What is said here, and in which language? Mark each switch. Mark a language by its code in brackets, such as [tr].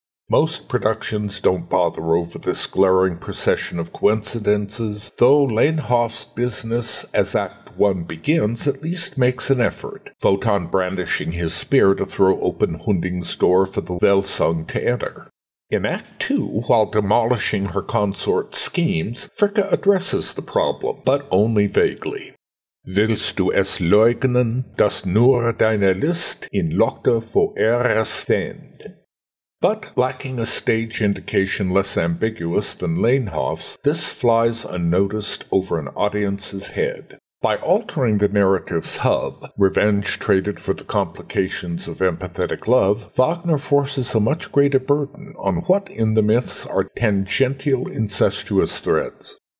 [en] Most productions don't bother over this glaring procession of coincidences, though Lehnhoff's business as Act 1 begins at least makes an effort, Wotan brandishing his spear to throw open Hunding's door for the Velsung to enter. In Act 2, while demolishing her consort's schemes, Fricka addresses the problem, but only vaguely. [de] Willst du es leugnen, dass nur deine List in lockter Verehre stand? [en] But lacking a stage indication less ambiguous than Lehnhoff's, this flies unnoticed over an audience's head. By altering the narrative's hub, revenge traded for the complications of empathetic love, Wagner forces a much greater burden on what in the myths are tangential incestuous threads.